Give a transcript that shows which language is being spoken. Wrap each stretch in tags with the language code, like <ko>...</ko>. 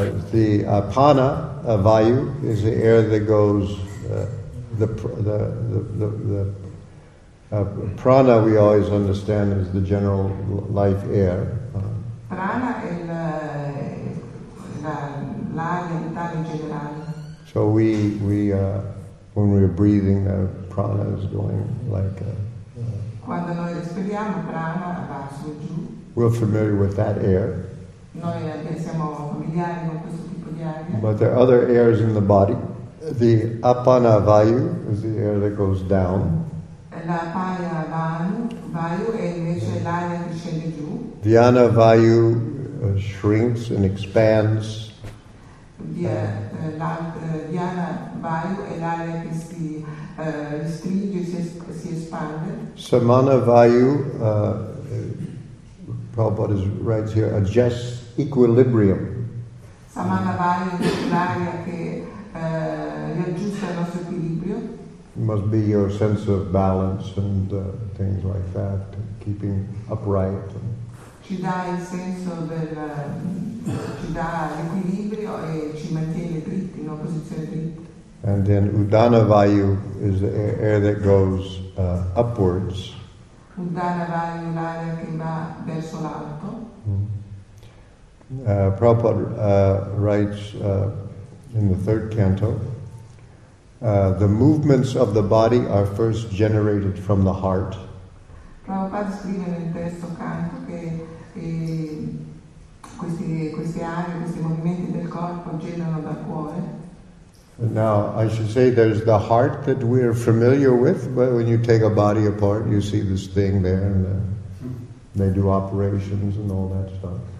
<en>The apana vayu is the air that goes the prana we always understand as the general life air.</en> <it>Prana è l'aria vitale generale.</it> <en>So when we're breathing, prana is going like.</en> <it>Quando noi respiriamo, prana va su e giù.</it> <en>We're familiar with that air.</en> <it>Noi siamo familiari con questo tipo di aria.</it> <en>But there are other airs in the body. The apana vayu is the air that goes down.</en> <it>La apana vayu è invece l'aria che scende giù.</it> <en>Dhyana vayu shrinks and expands.</en> <it>Dhyana vayu è l'aria che si stringe, si espande.</it> <en>Samana vayu, Prabhupada writes here, adjusts equilibrium.</en> <it>Samana vayu is l'aria che riaggiusta il nostro equilibrio.</it> <en>It must be your sense of balance and things like that, keeping upright.</en> <it>Ci dà il senso del ci dà l'equilibrio e ci mantiene dritti, in una posizione dritta.</it> <en>And then Udana Vayu is the air that goes upwards.</en> <it>Udana Vayu, l'aria che va verso l'alto.</it> <en>Prabhupada writes in the third canto, the movements of the body are first generated from the heart.</en> <it>Prabhupada scrive nel terzo canto che queste aree, questi movimenti del corpo generano dal cuore.</it> <en>Now, I should say there's the heart that we are familiar with, but when you take a body apart, you see this thing there, and they do operations and all that stuff.</en>